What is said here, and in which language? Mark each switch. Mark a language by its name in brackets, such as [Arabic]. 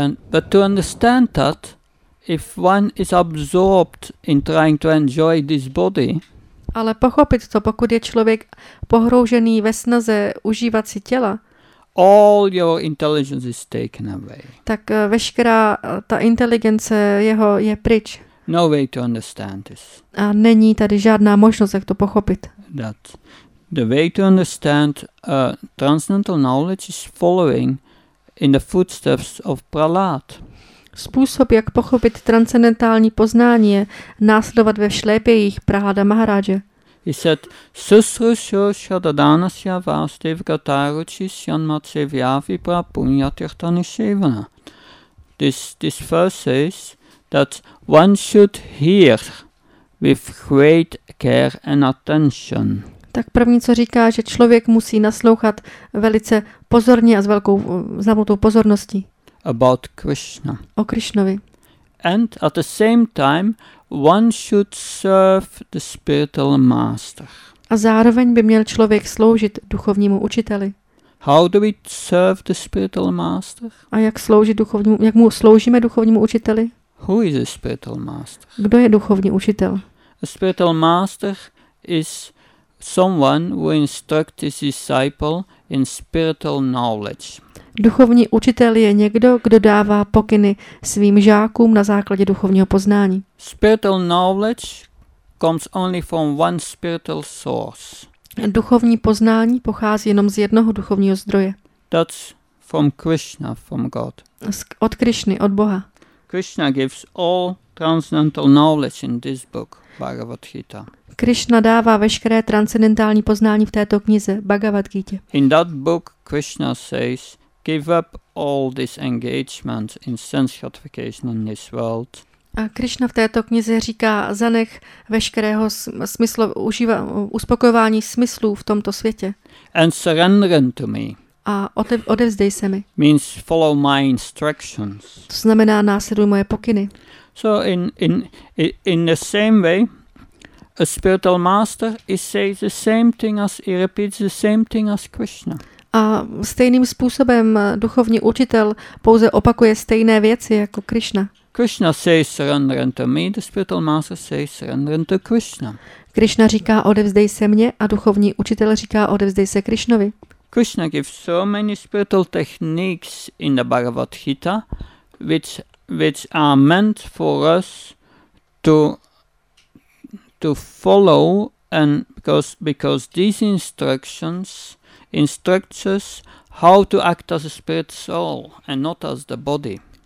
[English] But to understand that, if one is absorbed in trying to enjoy this body, [Czech] ale pochopit to, pokud je člověk pohroužený ve snaze užívat si těla, [English] all your intelligence is taken away. [Czech] Tak veškerá ta inteligence jeho je pryč. [English] No way to understand this. [Czech] A není tady žádná možnost, jak to pochopit. [English] That the way to understand transcendental knowledge is following in the footsteps of Prahlad. [Czech] Způsob, jak pochopit transcendentální poznání, je následovat ve šlépějích Prahlada Maharáže. [English] He said, [Sanskrit] Susrusho shadadanasya vastiv gataruchi shanmatse vyavi prapunyatirtani shivana. [English] This verse says that one should hear with great care and attention. [Czech] Tak první, co říká, že člověk musí naslouchat velice pozorně a s velkou zamutou pozorností. [English] About Krishna. [Czech] O Krišnovi. [English] And at the same time, one should serve the spiritual master. [Czech] A zároveň by měl člověk sloužit duchovnímu učiteli. [English] How do we serve the spiritual master? [Czech] A jak sloužit duchovnímu, jak mu sloužíme duchovnímu učiteli? [English] Who is a spiritual master? [Czech] Kdo je duchovní učitel? [English] A spiritual master is someone who instructs his disciple in spiritual knowledge. [Czech] Duchovní učitel je někdo, kdo dává pokyny svým žákům na základě duchovního poznání. [English] Spiritual knowledge comes only from one spiritual source. [Czech] Duchovní poznání pochází jenom z jednoho duchovního zdroje. [English] That's from Krishna, from God. [Czech] Od Krišny, od Boha. [English] Krishna gives all transcendental knowledge in this book, Bhagavad Gita. [Czech] Krishna dává veškeré transcendentální poznání v této knize, Bhagavad Gita. [English] In that book Krishna says, give up all this engagement in sense gratification in this world. [Czech] A Krishna v této knize říká, zanech veškerého smyslu, uspokojování smyslů v tomto světě. [English] And surrender to me. [Czech] A odevzdej se mi. [English] Means follow my instructions. [Czech] To znamená následuj moje pokyny. [English] So in the same way, a spiritual master is says the same thing as he repeats the same thing as Krishna. [Czech] A stejným způsobem duchovní učitel pouze opakuje stejné věci jako Krishna. [English] Krishna says surrender to me, the spiritual master says surrender to Krishna. [Czech] Krishna říká odevzdej se mně a duchovní učitel říká odevzdej se Krishnovi. [English] Krishna gives so many spiritual techniques in the Bhagavad Gita, which are meant for us to follow, and because these instructions instruct us how to act as a spirit soul and not as the body.